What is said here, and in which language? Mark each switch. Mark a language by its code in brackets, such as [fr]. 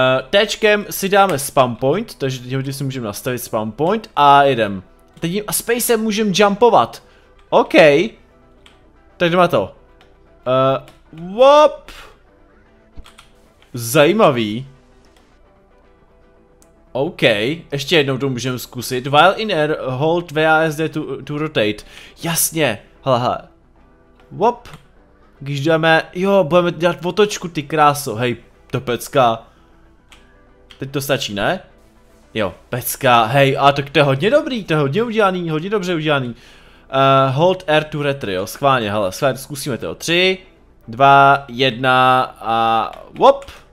[cs] Tčkem si dáme spam point, takže tím si můžeme nastavit spam point a jedem. Teď a spacem můžeme jumpovat. OK. Tak jdeme to. Wop. Zajímavý. OK, ještě jednou to můžeme zkusit. [en] While in air, hold WASD to rotate. [cs] Jasně, hlaha. Wop, když jdeme, jo, budeme dělat otočku, ty kráso, hej, to pecka. Teď to stačí, ne? Jo, pecka, hej, a tak to je hodně dobrý, to je hodně udělaný, hodně dobře udělaný. [en] Hold R to retry, [cs] jo, schválně, hele, schválně, zkusíme to, 3, 2, 1 a wop.